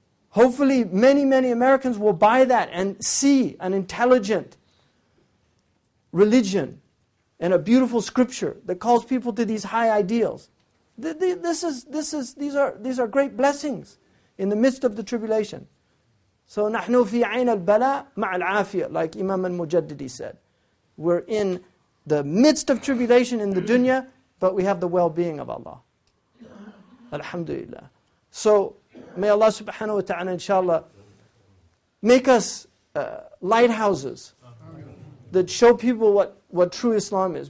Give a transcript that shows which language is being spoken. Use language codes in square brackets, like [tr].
[en] Hopefully many, many Americans will buy that and see an intelligent religion and a beautiful scripture that calls people to these high ideals. These are great blessings in the midst of the tribulation. So [ar] نحن في عين البلاء مع العافية, [en] like Imam al-Mujaddidi said. We're in the midst of tribulation in the dunya, but we have the well-being of Allah. Alhamdulillah. So may Allah subhanahu wa ta'ala inshallah make us lighthouses that show people what true Islam is.